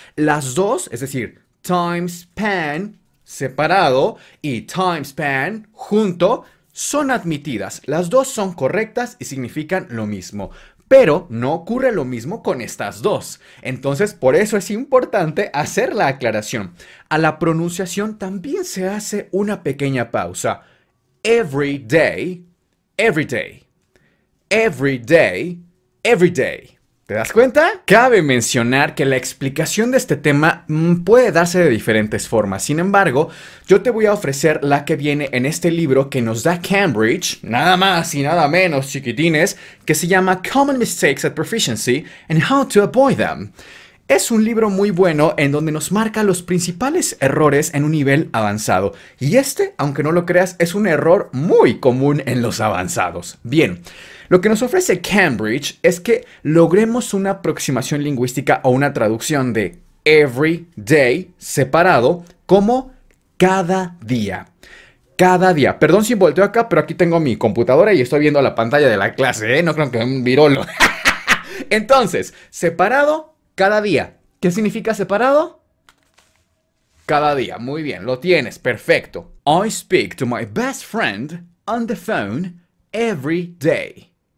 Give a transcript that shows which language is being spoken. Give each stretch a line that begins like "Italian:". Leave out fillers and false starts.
Spanish: Las dos, es decir, time span separado y time span junto, son admitidas. Las dos son correctas y significan lo mismo. Pero no ocurre lo mismo con estas dos. Entonces, por eso es importante hacer la aclaración. A la pronunciación también se hace una pequeña pausa.
English: Every day, every day, every day, every day.
Spanish: ¿Te das cuenta? Cabe mencionar que la explicación de este tema puede darse de diferentes formas. Sin embargo, yo te voy a ofrecer la que viene en este libro que nos da Cambridge, nada más y nada menos, chiquitines, que se llama Common Mistakes at Proficiency and How to Avoid Them. Es un libro muy bueno en donde nos marca los principales errores en un nivel avanzado. Y este, aunque no lo creas, es un error muy común en los avanzados. Bien. Lo que nos ofrece Cambridge es que logremos una aproximación lingüística o una traducción de every day separado como cada día. Cada día. Perdón si volteo acá, pero aquí tengo mi computadora y estoy viendo la pantalla de la clase, ¿eh? No creo que sea un virolo. Entonces, separado cada día. ¿Qué significa separado? Cada día. Muy bien, lo tienes. Perfecto.
English: I speak to my best friend on the phone every day.